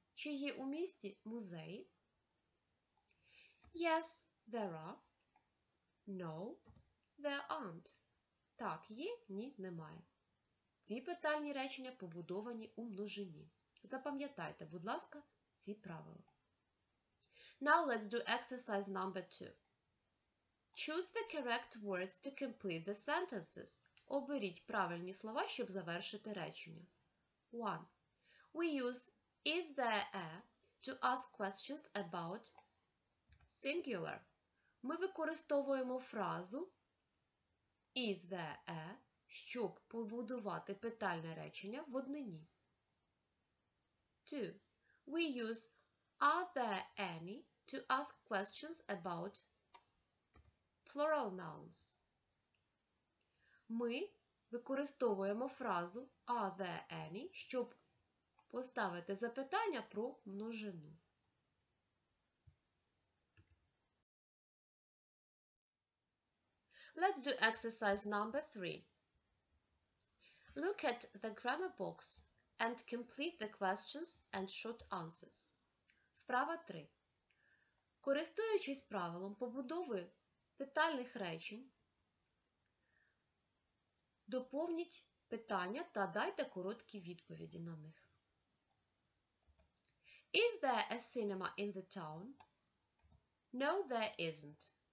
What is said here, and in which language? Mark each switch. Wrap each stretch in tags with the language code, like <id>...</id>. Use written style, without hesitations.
<uk>Чи є у місті музеї?</uk> <en>Yes, there are. No, there aren't.</en> <uk>Так, є, ні, немає. Ці питальні речення побудовані у множині. Запам'ятайте, будь ласка, ці правила.</uk> <en>Now let's do exercise number two. Choose the correct words to complete the sentences.</en> <uk>Оберіть правильні слова, щоб завершити речення. 1.</uk> <en>We use is there a to ask questions about singular.</en> <uk>Ми використовуємо фразу</uk> <en>is there a,</en> <uk>щоб побудувати питальне речення в однині. 2.</uk> <en>We use are there any to ask questions about plural nouns.</en> <uk>Ми використовуємо фразу</uk> <en>are there any,</en> <uk>щоб поставити запитання про множину.</uk> <en>Let's do exercise number three. Look at the grammar box and complete the questions and short answers.</en> <uk>Вправа 3. Користуючись правилом побудови питальних речень, доповніть питання та дайте короткі відповіді на них.</uk> <en>Is there a cinema in the town? No, there isn't.</en>